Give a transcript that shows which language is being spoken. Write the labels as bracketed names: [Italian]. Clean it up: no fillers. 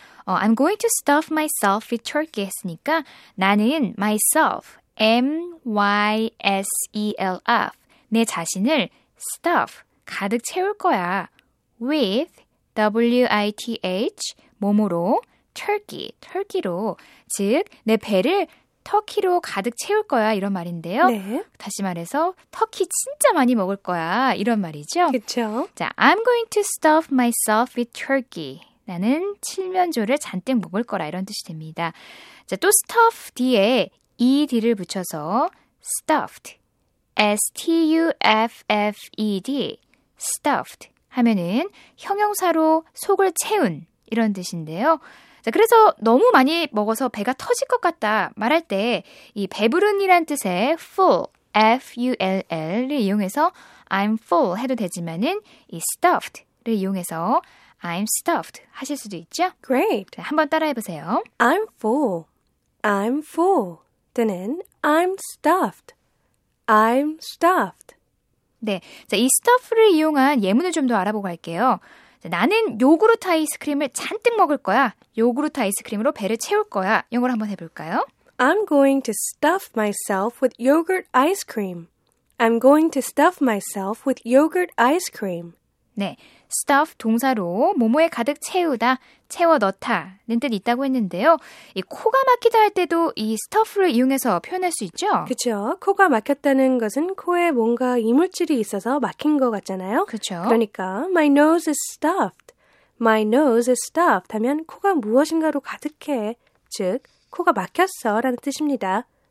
[English] I'm going to stuff myself with turkey [Korean] 했으니까 나는 myself, M-Y-S-E-L-F, 내 자신을 stuff, 가득 채울 거야. With, W-I-T-H, 몸으로, turkey, 터키로, 즉 내 배를 터키로 가득 채울 거야 이런 말인데요. 네. 다시 말해서 터키 진짜 많이 먹을 거야 이런 말이죠. 그렇죠. [English] 자, I'm going to stuff myself with turkey. [Korean] 나는 칠면조를 잔뜩 먹을 거라 이런 뜻이 됩니다. 자, 또 stuff 뒤에 ed를 붙여서 stuffed, s-t-u-f-f-e-d, stuffed 하면은 형용사로 속을 채운 이런 뜻인데요. 자, 그래서 너무 많이 먹어서 배가 터질 것 같다 말할 때 이 배부른이란 뜻의 full, f-u-l-l를 이용해서 I'm full 해도 되지만은 이 stuffed를 이용해서 I'm stuffed 하실 수도 있죠? [English] Great. [Korean] 한번 따라해보세요. [English] I'm full. I'm full. 또는 I'm stuffed. I'm stuffed. [Korean] 네, 자, 이 stuff를 이용한 예문을 좀 더 알아보고 갈게요. 자, 나는 요구르트 아이스크림을 잔뜩 먹을 거야. 요구르트 아이스크림으로 배를 채울 거야. 영어로 한번 해볼까요? [English] I'm going to stuff myself with yogurt ice cream. I'm going to stuff myself with yogurt ice cream. [Korean] 네, stuff 동사로 뭐뭐에 가득 채우다, 채워 넣다는 뜻이 있다고 했는데요. 이 코가 막히다 할 때도 이 stuff를 이용해서 표현할 수 있죠? 그렇죠. 코가 막혔다는 것은 코에 뭔가 이물질이 있어서 막힌 것 같잖아요. 그렇죠. 그러니까 [English] my nose is stuffed. [Korean] My nose is stuffed 하면 코가 무엇인가로 가득해, 즉 코가 막혔어라는 뜻입니다.